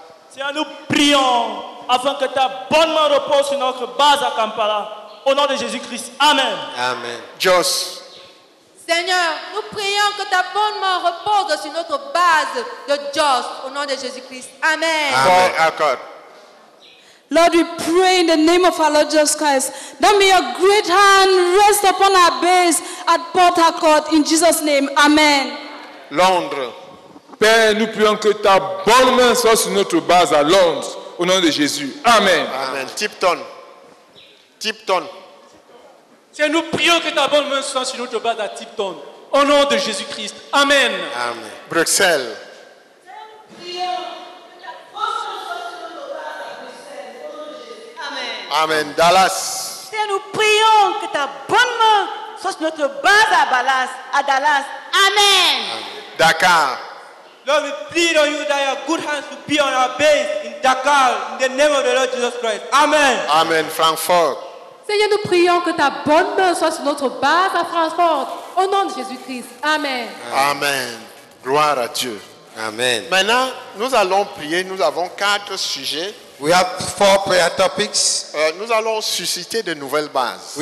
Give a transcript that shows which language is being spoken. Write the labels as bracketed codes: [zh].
[fr] Seigneur, nous prions afin que ta bonne main repose sur notre base à Kampala. Au nom de Jésus-Christ. Amen. Amen. Jos. Seigneur, nous prions que ta bonne main repose sur notre base de Jos. Au nom de Jésus-Christ. Amen. Amen. Accord. [en] Lord, we pray in the name of our Lord Jesus Christ that may your great hand rest upon our base at Port Harcourt in Jesus' name. Amen. [fr] Londres. Père, nous prions que ta bonne main soit sur notre base à Londres. Au nom de Jésus. Amen. Amen. Tipton. Tipton. Seigneur, nous prions que ta bonne main soit sur notre base à Tipton. Au nom de Jésus-Christ. Amen. Amen. Bruxelles. Amen. Amen. Dallas. Seigneur, nous prions que ta bonne main soit sur notre base à Dallas. Amen. Amen. Dakar. [en] Lord, we plead on you that your good hands will be on our base in Dakar in the name of the Lord Jesus Christ. Amen. [fr] Amen. Francfort. Seigneur, nous prions que ta bonne main soit sur notre base à Francfort. Au nom de Jésus-Christ. Amen. Amen. Gloire à Dieu. Amen. Maintenant, nous allons prier. Nous avons quatre sujets. [en] We have four prayer topics. [fr] Nous allons susciter de nouvelles bases.